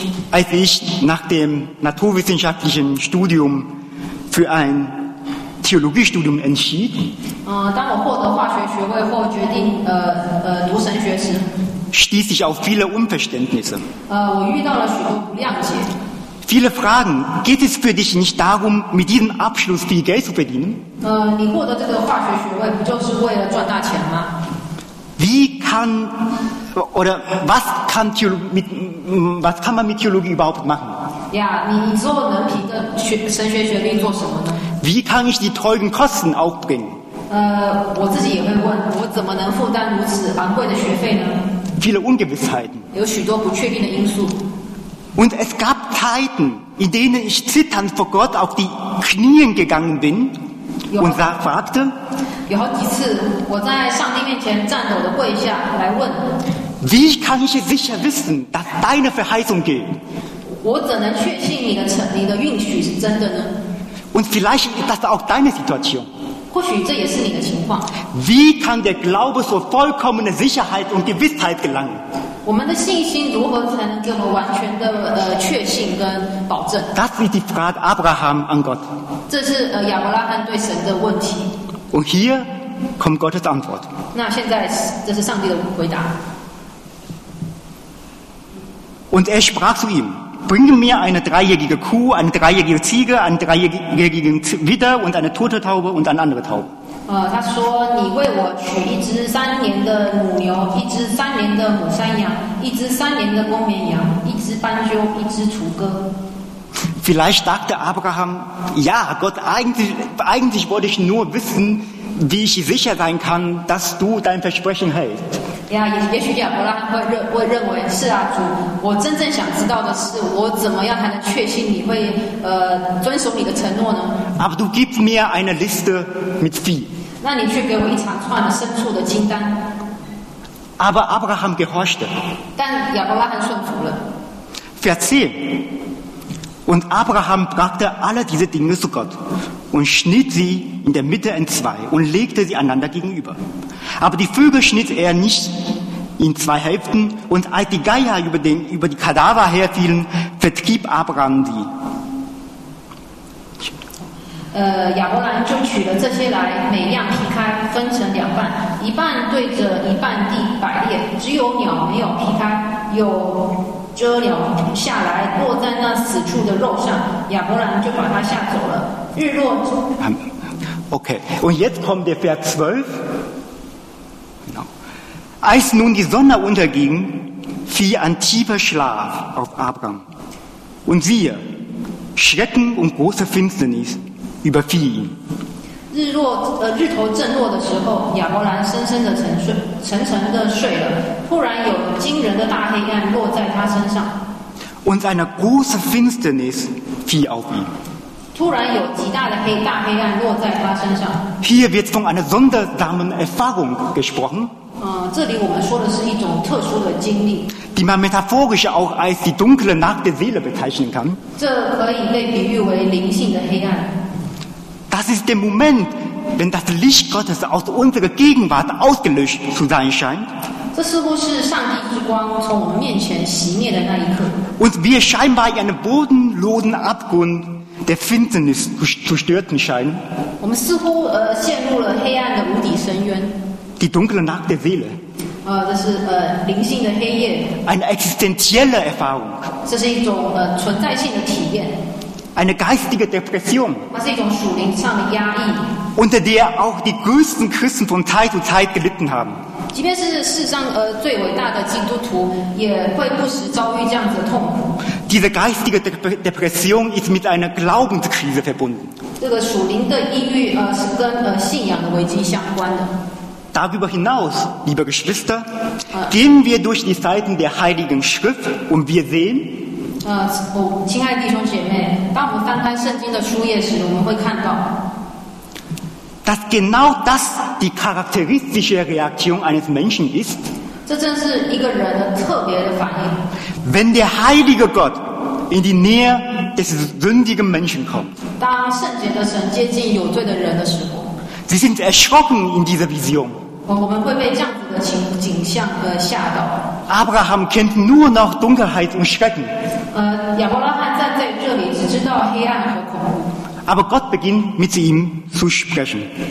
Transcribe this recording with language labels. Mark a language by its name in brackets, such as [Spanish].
[German] Als ich nach dem naturwissenschaftlichen Studium für ein Theologiestudium entschied, [Chinese] 当我获得化学学位后决定读神学时， [German] stieß ich auf viele Unverständnisse. [Chinese] 我遇到了许多不谅解。 [German] Viele Fragen. Geht es für dich nicht darum, mit diesem Abschluss viel Geld zu verdienen? [Chinese] 你获得这个化学学位不就是为了赚大钱吗？ [German] Wie kann oder was kann man mit Theologie überhaupt machen? [Chinese] 你之后能凭着神学学历做什么呢？ [German] Wie kann ich die teuren Kosten aufbringen? [Chinese] 我自己也会问，我怎么能负担如此昂贵的学费呢？ [German] Viele Ungewissheiten. [Chinese] 有许多不确定的因素。 [German] Und es gab Zeiten, in denen ich zitternd vor Gott auf die Knien gegangen bin und fragte, [Chinese] 有好几次我在上帝面前颤抖的跪下来问， [German] Wie kann ich sicher wissen, dass deine Verheißung gilt? [Chinese] 我怎能确信你的应许是真的呢？ [German] Und vielleicht ist das auch deine Situation. [Chinese] 或许这也是你的情况。 [German] Wie kann der Glaube zur vollkommenen Sicherheit und Gewissheit gelangen? [Chinese] 我们的信心如何才能给我们完全的确信跟保证？ [German] Das ist die Frage Abraham an Gott. [Chinese] 这是亚伯拉罕对神的问题。 [German] Und hier kommt Gottes Antwort. [Chinese] 那现在这是上帝的回答。 [German] Und er sprach zu ihm. Bring mir eine dreijährige Kuh, eine dreijährige Ziege, einen dreijährigen Widder und eine tote Taube und eine andere Taube. [Chinese] 他说，你为我取一只三年的母牛，一只三年的母山羊，一只三年的公绵羊，一只斑鸠，一只雏鸽。 [German] Vielleicht dachte Abraham, ja, Gott, eigentlich wollte ich nur wissen, wie ich sicher sein kann, dass du dein Versprechen hältst. [Chinese] 呀，也许亚伯拉罕会认为，是啊，主，我真正想知道的是，我怎么样才能确信你会遵守你的承诺呢？ [German] Aber du gibst mir eine Liste mit Vieh. [Chinese] 那你却给我一长串的牲畜的清单。 [German] Aber Abraham gehorchte. [Chinese] 但亚伯拉罕顺服了。 [German] Vers 10. Und Abraham brachte alle diese Dinge zu Gott. Und schnitt sie in der Mitte in zwei und legte sie einander gegenüber. Aber die Vögel schnitt er nicht in zwei Hälften, und als die Geier über die Kadaver herfielen, vertrieb Abraham sie. [Chinese] 亚伯兰就取了这些来，每样劈开，分成两半，一半对着一半地摆列，只有鸟没有劈开，有鸽鸟下来落在那死处的肉上，亚伯兰就把它吓走了。 [German] Okay, und jetzt kommt der Vers 12. Genau. Als nun die Sonne unterging, fiel ein tiefer Schlaf auf Abraham. Und siehe, Schrecken und große Finsternis überfiel ihn. [Chinese] 日头正落的时候，亚伯兰深深的沉沉的睡了，突然有惊人的大黑暗落在他身上。 [German] Und eine große Finsternis fiel auf ihn. [Chinese] 突然有极大的黑大黑暗落在他身上。 [German] Hier wird von einer sondersamen Erfahrung gesprochen. [Chinese] 这里我们说的是一种特殊的经历。 [German] Die man metaphorisch auch als die dunkle Nacht der Seele bezeichnen kann. [Chinese] 这可以被比喻为灵性的黑暗。 [German] Das ist der Moment, wenn das Licht Gottes aus unserer Gegenwart ausgelöscht zu sein scheint. [Chinese] 这似乎是上帝之光从我们面前熄灭的那一刻。 [German] Und wir scheinbar in einem bodenlosen Abgrund. Der Finsternis zu stürzen scheinen. [Chinese] 我们似乎陷入了黑暗的无底深渊。 [German] Die dunkle Nacht der Seele. [Chinese] 这是灵性的黑夜。 [German] Eine existenzielle Erfahrung. [Chinese] 这是一种存在性的体验。 [German] Eine geistige Depression. [Chinese] 它是一种属灵上的压抑。 [German] unter der auch die größten Christen von Zeit zu Zeit gelitten haben. [Chinese] 即便是世上最伟大的基督徒，也会不时遭遇这样子的痛苦。 [German] Diese geistige Depression ist mit einer Glaubenskrise verbunden. [Chinese] 这个属灵的抑郁是跟信仰的危机相关的。 [German] Darüber hinaus, liebe Geschwister, gehen wir durch die Seiten der Heiligen Schrift und wir sehen. [Chinese] 亲爱的弟兄姐妹，当我们翻开圣经的书页时，我们会看到。 [German] Dass genau das die charakteristische Reaktion eines Menschen ist, [Chinese] 这正是一个人的特别的反应。 [German] Wenn der heilige Gott in die Nähe des sündigen Menschen kommt, [Chinese] 当圣洁的神接近有罪的人的时候， [German] sie sind erschrocken in dieser Vision. [Chinese] 我们会被这样子的景象而吓到。 [German] Abraham kennt nur noch Dunkelheit und Schrecken. [Chinese] 亚伯拉罕站在这里只知道黑暗和恐怖。 [German] Aber Gott beginnt mit ihm zu sprechen.